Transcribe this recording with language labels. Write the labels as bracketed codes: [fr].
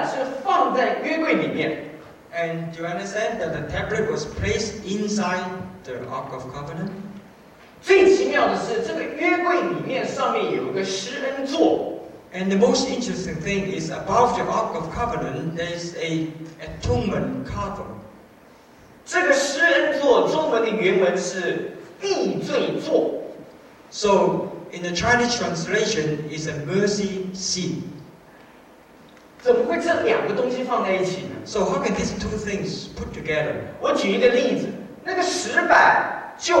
[zh] 但是很奇妙的，这个石板是放在约柜里面。 [en] And do you understand that the tablet was placed inside the Ark of Covenant? [zh] 最奇妙的是，这个约柜里面上面有个施恩座。 [en] And the most interesting thing is above the Ark of Covenant, there is an atonement cover. [zh] 这个施恩座中文的原文是地罪座。 [en] So in the Chinese translation, it's a mercy seat. [zh] 怎么会这两个东西放在一起呢? [en] So how can these two things put together? [zh] 我举一个例子, 那个石板,